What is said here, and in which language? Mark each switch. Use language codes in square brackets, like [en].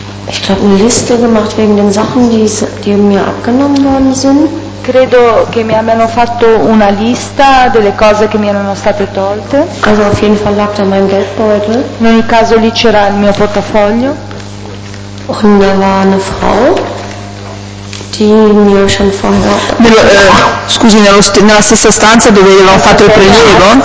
[de] Ich glaube, eine Liste gemacht wegen den Sachen, die mir abgenommen worden sind. [it] Credo che mi abbiano fatto una lista delle cose che mi erano state tolte. [de] Also auf jeden Fall lag da mein Geldbeutel. [it] In ogni caso lì c'era il mio portafoglio. [de] Und da war eine Frau, die mir schon vorher. [it] Scusi, nella stessa stanza dove avevano fatto il prelievo?